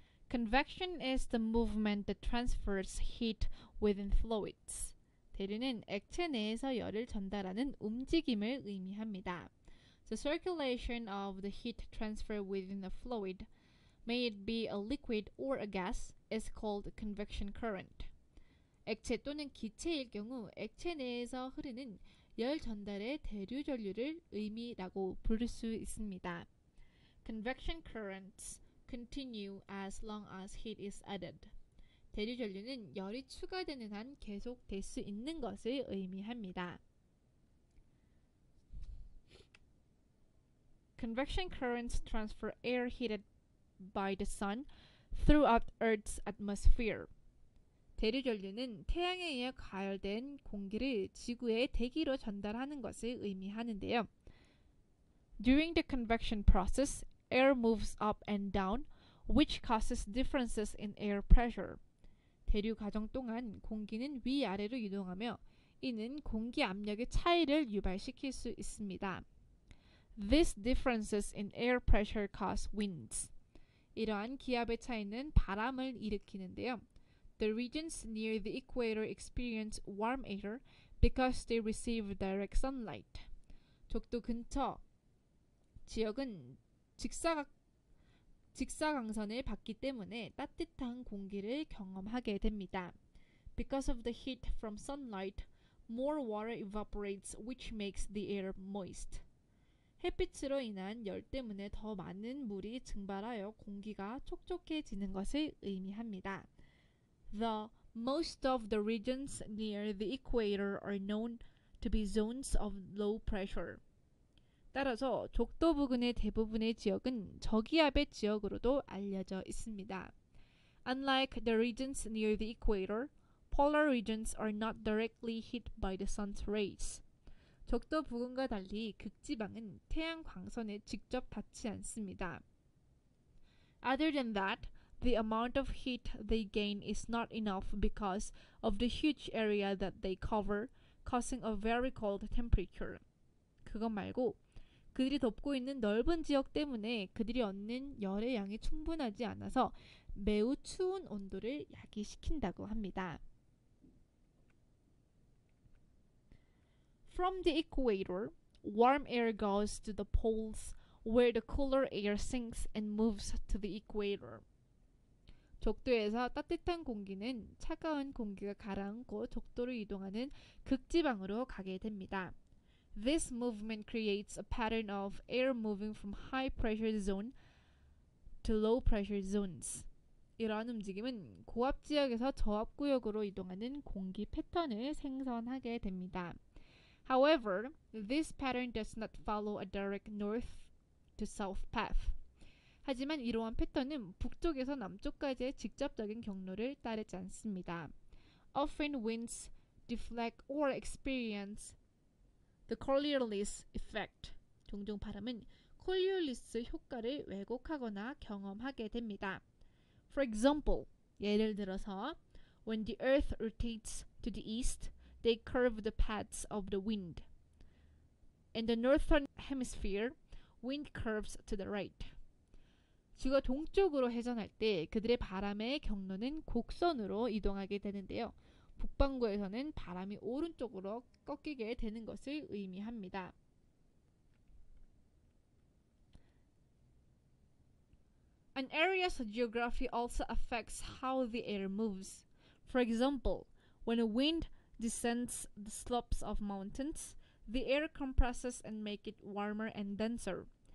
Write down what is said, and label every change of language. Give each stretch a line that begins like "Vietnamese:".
English: Convection is the movement that transfers heat within fluids.
Korean: 대류는 액체 내에서 열을 전달하는 움직임을 의미합니다.
English: The circulation of the heat transfer within a fluid, may it be a liquid or a gas, is called convection current.
Korean: 액체 또는 기체일 경우 액체 내에서 흐르는 열 전달의 대류 전류를 의미라고 부를 수 있습니다.
English: Convection currents continue as long as heat is added.
Korean: 대류 전류는 열이 추가되는 한 계속될 수 있는 것을 의미합니다.
English: Convection currents transfer air heated by the sun throughout Earth's atmosphere.
Korean: 대류 전류는 태양에 의해 가열된 공기를 지구의 대기로 전달하는 것을 의미하는데요.
English: During the convection process, air moves up and down, which causes differences in air pressure.
Korean: 대류 과정 동안 공기는 위아래로 유동하며 이는 공기 압력의 차이를 유발시킬 수 있습니다.
English: These differences in air pressure cause winds.
Korean: 이러한 기압의 차이는 바람을 일으키는데요.
English: The regions near the equator experience warm air because they receive direct sunlight.
Korean: 적도 근처 지역은 직사광선을 받기 때문에 따뜻한 공기를 경험하게 됩니다.
English: Because of the heat from sunlight, more water evaporates, which makes the air moist.
Korean: 햇빛으로 인한 열 때문에 더 많은 물이 증발하여 공기가 촉촉해지는 것을 의미합니다.
English: The most of the regions near the equator are known to be zones of low pressure.
Korean: 따라서 적도 부근의 대부분의 지역은 저기압의 지역으로도 알려져 있습니다.
English: Unlike the regions near the equator, polar regions are not directly hit by the sun's rays.
Korean: 적도 부근과 달리 극지방은 태양 광선에 직접 닿지 않습니다.
English: Other than that, the amount of heat they gain is not enough because of the huge area that they cover, causing a very cold temperature.
Korean: 그것 말고 그들이 덮고 있는 넓은 지역 때문에 그들이 얻는 열의 양이 충분하지 않아서 매우 추운 온도를 야기시킨다고 합니다.
English: From the equator, warm air goes to the poles where the cooler air sinks and moves to the equator.
Korean: 적도에서 따뜻한 공기는 차가운 공기가 가라앉고 적도로 이동하는 극지방으로 가게 됩니다.
English: This movement creates a pattern of air moving from high pressure zone to low pressure zones.
Korean: 이러한 움직임은 고압 지역에서 저압 구역으로 이동하는 공기 패턴을 생성하게 됩니다.
English: However, this pattern does not follow a direct north to south path.
Korean: 하지만 이러한 패턴은 북쪽에서 남쪽까지의 직접적인 경로를 따르지 않습니다.
English: Often winds deflect or experience the Coriolis effect.
Korean: 종종 바람은 콜리올리스 효과를 왜곡하거나 경험하게 됩니다.
English: For example,
Korean: 예를 들어서
English: when the earth rotates to the east, they curve the paths of the wind. In the northern hemisphere, wind curves to the right.
Korean: 지구가 동쪽으로 회전할 때 그들의 바람의 경로는 곡선으로 이동하게 되는데요. 북반구에서는 바람이 오른쪽으로 꺾이게 되는 것을 의미합니다.
English: An area's geography also affects how the air moves. For example, when a wind descends the slopes of mountains, the air compresses and make it warmer and denser.